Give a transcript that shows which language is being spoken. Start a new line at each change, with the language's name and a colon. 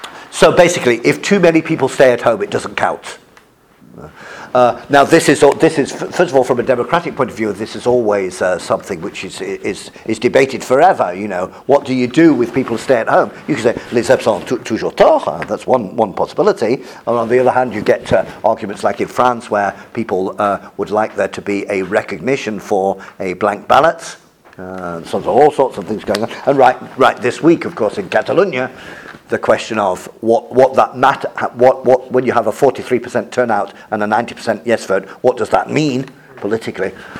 English: So basically, if too many people stay at home, it doesn't count. This is first of all, from a democratic point of view, this is always something which is debated forever. You know, what do you do with people who stay at home? You can say
French: les absents ont toujours tort.
English: That's one possibility. And on the other hand, you get arguments like in France, where people would like there to be a recognition for a blank ballot. So all sorts of things going on. And right this week, of course, in Catalonia, the question of what that matter, what when you have a 43% turnout and a 90% yes vote, what does that mean politically?